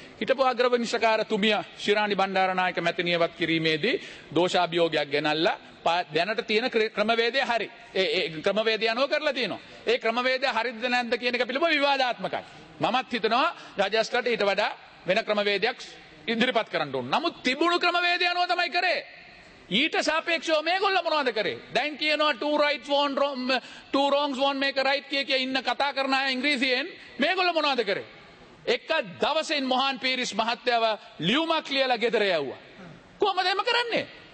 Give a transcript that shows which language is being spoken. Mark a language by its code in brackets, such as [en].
[si] හිටපු අග්‍රවිනිශ්චකාරතුමිය ශිරාණි බණ්ඩාරනායක මැතිණිය ඉවත් කිරීමේදී දෝෂාභියෝගයක් ගෙනල්ලා දැනට තියෙන ක්‍රමවේදය හරි. ඒ ක්‍රමවේදය අනුව කරලා තියෙනවා. ඒ ක්‍රමවේදය හරිද නැද්ද කියන එක පිළිබඳ විවාදාත්මකයි. මමත් හිතනවා රජස්ට්‍රට ඊට වඩා වෙන ක්‍රමවේදයක් ඉදිරිපත් කරන්න ඕන. නමුත් තිබුණු ක්‍රමවේදය අනුව තමයි කරේ. ඊට සාපේක්ෂව මේගොල්ලෝ මොනවද කරේ? දැන් කියනවා [en] two rights won't wrong, two wrongs won't make a right [si] කිය ඉන්න කතා කරන අය ඉංග්‍රීසියෙන්. මේගොල්ලෝ මොනවද කරේ? එක දවසෙන් මොහාන් පීරිස් මහත්තයව ලියුමක් ලියලා ගෙදර යවුවා. කොහමද එහෙම කරන්නේ?